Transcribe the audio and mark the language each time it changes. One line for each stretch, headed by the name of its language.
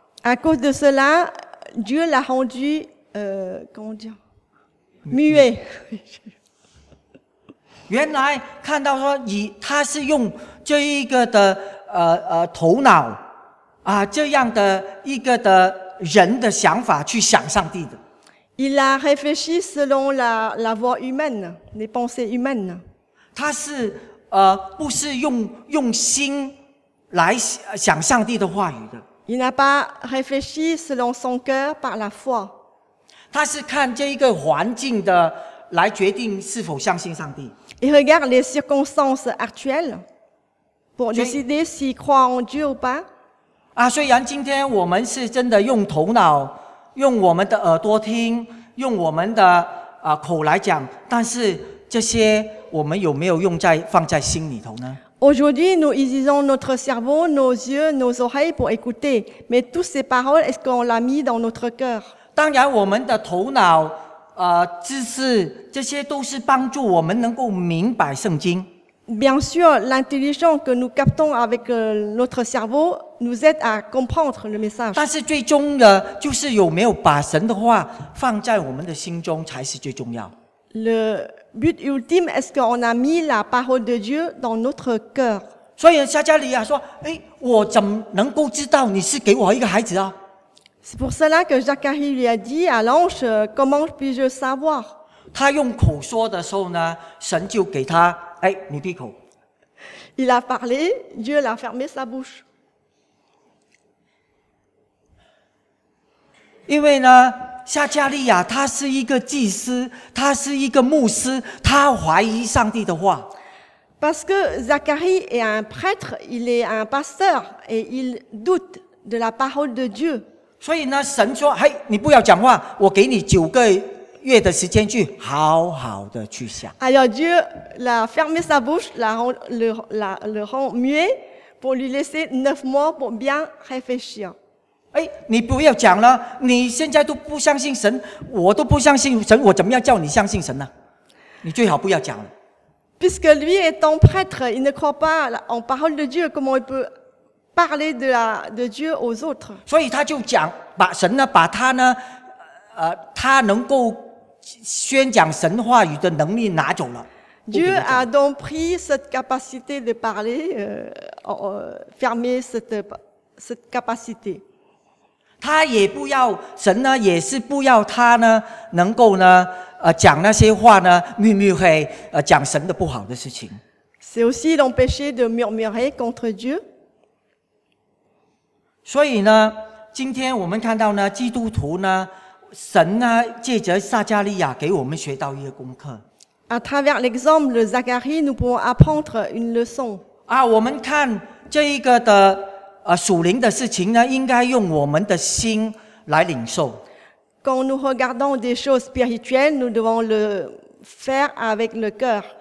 French: À cause de cela, Dieu l'a rendu comment dire muet.
Chinese: 原来看到说以他是用这一个的头脑啊这样的一个的人的想法去想上帝的。
French: Il a réfléchi selon la voix humaine, les pensées humaines.
Chinese: 他是不是用心来想上帝的话语的。
French: Il n'a pas réfléchi selon son cœur par la foi.
Chinese: 他是看这一个环境的来决定是否相信上帝。
French: Il regarde les circonstances actuelles pour décider s'il croit en Dieu ou pas.
Chinese: 啊，虽然今天我们是真的用头脑用我们的耳朵听用我们的口来讲但是这些我们有没有用在放在心里头呢
French: Aujourd'hui, nous utilisons notre cerveau, nos yeux, nos oreilles pour écouter. Mais toutes ces paroles, est-ce qu'on l'a mis dans notre cœur?
Chinese: 当然我们的头脑知识这些都是帮助我们能够明白圣经。
French: Bien sûr, l'intelligence que nous captons avec notre cerveau nous aide à comprendre le message.
Chinese: 但是最终的就是有没有把神的话放在我们的心中才是最重要。
French: Le but ultime, est-ce qu'on a mis la parole de Dieu dans notre cœur?
Chinese: 所以撒加利亚说，诶，我怎么能够知道你是给我一个孩子啊？
French: C'est pour cela que Zacharie lui a dit à l'ange, comment puis-je savoir?
Chinese: 他用口说的时候呢，神就给他哎，你闭口。
French: Il a parlé, Dieu l'a fermé sa bouche.
Chinese: 因为呢，撒加利亚他是一个祭司，他是一个牧师，他怀疑上帝的话。
French: Parce que Zacharie est un prêtre, il est un pasteur et il doute de la parole de Dieu.
Chinese: 所以呢，神说：“嘿，你不要讲话，我给你九个月的时间去好好的去想。
French: Alors Dieu l'a fermé sa bouche, le rend muet pour lui laisser 9 mois pour bien réfléchir.
Chinese: 哎，你不要讲了，你现在都不相信神，我都不相信神，我怎么样叫你相信神呢？你最好不要讲了。
French: Puisque lui étant prêtre, il ne croit pas en parole de Dieu, comment il peut parler de Dieu aux autres?
Chinese: 所以他就讲，把神呢，把他呢。他能够宣讲神话语的能力拿走了。
French: Dieu a donc pris cette capacité de parler, fermé cette capacité.
Chinese: 他也不要神呢，也是不要他呢，能够呢，讲那些话呢，秘密会讲神的不好的事情。
French: C'est aussi l'empêcher de murmurer contre Dieu.
Chinese: 所以呢，今天我们看到呢，基督徒呢。神呢、啊，借着撒加利亚给我们学到一个功课。
French: À travers l'exemple de Zacharie, nous pouvons apprendre une leçon.
Chinese: 啊，我们看这一个的属灵的事情呢，应该用我们的心来领受。
French: Quand nous regardons des choses spirituelles, nous devons le faire avec le cœur.